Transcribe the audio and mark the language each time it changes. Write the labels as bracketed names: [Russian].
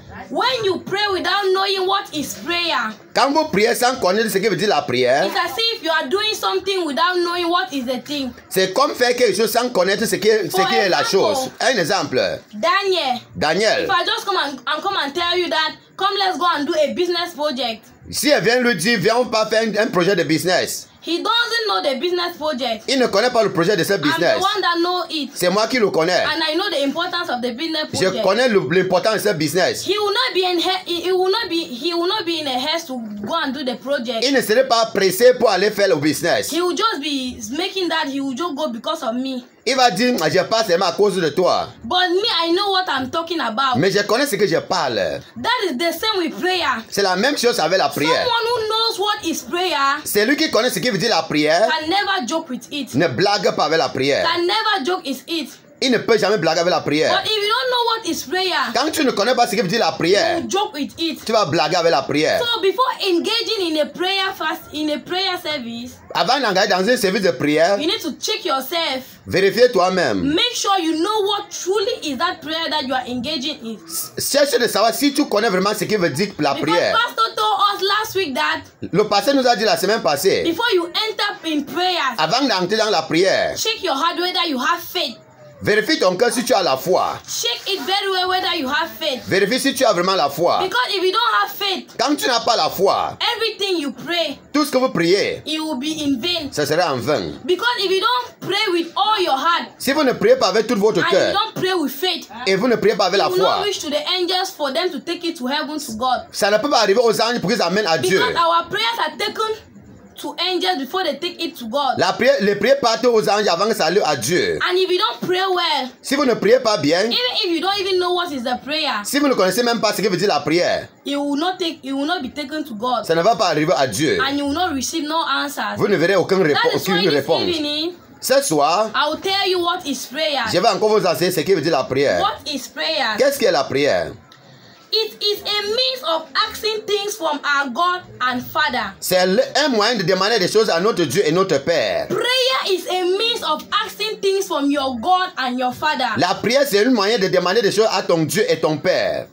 [English] When you pray without knowing what is prayer, [French] quand vous priez sans connaître ce que veut dire la prière, [English] it's as if you are doing something without knowing what is the thing. [French] C'est comme faire quelque chose sans connaître ce qui est la chose. Un exemple. Daniel. [English] If I just come and tell you that, come let's go and do a business project. [French] Si elle vient lui dire, viens pas faire un projet de business. [English] He doesn't know the business project. [French] Il ne connaît pas le projet de ce business. [English] I'm the one that know it. [French] C'est moi qui le connais. [English] And I know the importance of the business project. [French] Je connais l'importance de ce business. [English] He will not be in a haste to go and do the project. [French] Il ne serait pas pressé pour aller faire le business. [English] He will just be making that he will just go because of me. [French] Il va dire, je parle seulement à cause de toi. [English] But me, I know what I'm talking about. [French] Mais je connais ce que je parle. [English] That is the same with prayer. [French] C'est la même chose avec la prière. [English] Someone who knows what is prayer. [French] C'est lui qui connaît ce qui veut dire la prière. [English] Can never joke with it. [French] Ne blague pas avec la prière. [English] Can never joke with it. [French] Il ne peut jamais blaguer avec la prière. [English] But if you don't know what is prayer, [French] quand tu ne connais pas ce qui veut dire la prière, [English] you joke with it. [French] Tu vas blaguer avec la prière. [English] So before engaging in a prayer fast, in a prayer service, [French] avant d'engager dans un service de prière, [English] you need to check yourself. [French] Vérifie toi-même. [English] Make sure you know what truly is that prayer that you are engaging in. [French] Cherche de savoir si tu connais vraiment ce qui veut dire la prière. [English] Because Pastor told us last week that. [French] Le pasteur nous a dit la semaine passée. [English] Before you enter in prayer, [French] avant d'entrer dans la prière, [English] check your heart whether you have faith. [French] Vérifie ton cœur si tu as la foi. [English] Check it very well whether you have faith. [French] Vérifie si tu as vraiment la foi. [English] Because if you don't have faith, [French] quand tu n'as pas la foi, [English] everything you pray, [French] tout ce que vous priez, [English] it will be in vain. [French] Ce sera en vain. [English] Because if you don't pray with all your heart, [French] si vous ne priez pas avec tout votre cœur, [English] and you don't pray with faith, [French] et vous ne priez pas avec la foi, [English] you will not reach to the angels for them to take it to heaven to God. [French] Ça ne peut pas arriver aux anges pour qu'ils amènent à Dieu. [English] Because our prayers are taken to angels before they take it to God. [French] La prière, les prières partent aux anges avant que ça aille à Dieu. [English] And if you don't pray well, [French] si vous ne priez pas bien, [English] even if you don't even know what is the prayer, [French] si vous ne connaissez même pas ce que veut dire la prière, [English] it will not be taken to God. [French] Ça ne va pas arriver à Dieu. [English] And you will not receive no answers. [French] Vous ne verrez aucune réponse. Ce soir, [English] I will tell you what is prayer. [French] Je vais encore vous enseigner ce que veut dire la prière. [English] What is prayer? [French] Qu'est-ce qu'est la prière? [English] It is a means of asking things from our God and Father. [French] C'est un moyen de demander des choses à notre Dieu et notre Père. [English] Prayer is a means of asking things from your God and your Father. [French] La prière c'est un moyen de demander des choses à ton Dieu et ton Père.